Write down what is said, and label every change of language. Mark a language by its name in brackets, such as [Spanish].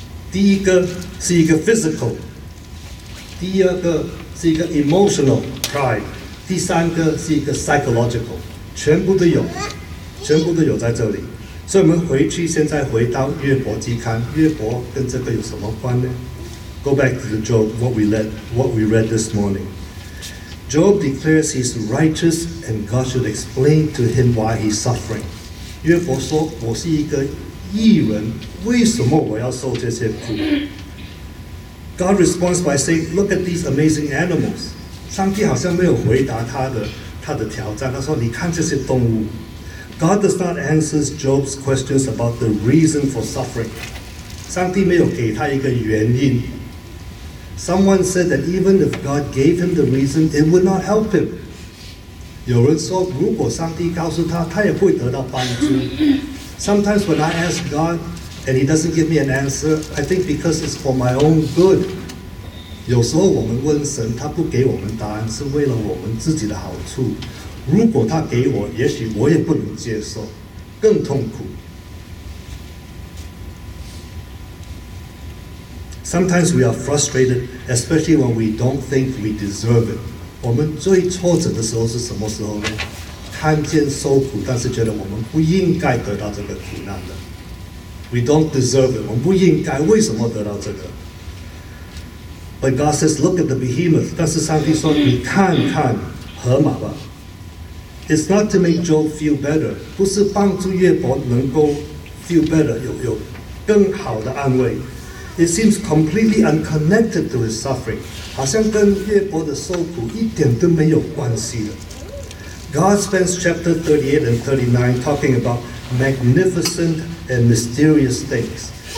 [Chinese] 第一个是一个 physical， 第二个是一个 [English] emotional pride， [Chinese] 第三个是一个 psychological， 全部都有，全部都有在这里。所以我们回去，现在回到约伯记看，约伯跟这个有什么关呢？ [English] Go back to the Job, what we read this morning. Job declares he's righteous and God should explain to him why he's suffering. [Chinese] 约伯说我是一个义人，为什么我要受这些苦？ [English] God responds by saying, look at these amazing animals. [Chinese] 上帝好像没有回答他的挑战，他说你看这些动物。 [English] God does not answer Job's questions about the reason for suffering. [Chinese] 上帝没有给他一个原因。 [English] Someone said that even if God gave him the reason, it would not help him. [Chinese] 有人说如果上帝告诉他，他也不会得到帮助。 [English] Sometimes when I ask God and he doesn't give me an answer, I think because it's for my own good. [Chinese] 有时候我们问神，他不给我们答案，是为了我们自己的好处。如果他给我，也许我也不能接受，更痛苦。 [English] Sometimes we are frustrated, especially when we don't think we deserve it. [Chinese] 我们最挫折的时候是什么时候呢？看见受苦，但是觉得我们不应该得到这个苦难的。 [English] We don't deserve it. [Chinese] 我们不应该，为什么得到这个？ [English] But God says, look at the behemoth. [Chinese] 但是上帝说，你看看河马吧。 [English] It's not to make Job feel better. [Chinese] 不是帮助约伯能够 [English] feel better, [Chinese] 有更好的安慰。 [English] It seems completely unconnected to his suffering. [Chinese] 好像跟约伯的受苦一点都没有关系的。 [English] God spends chapter 38 and 39 talking about magnificent and mysterious things.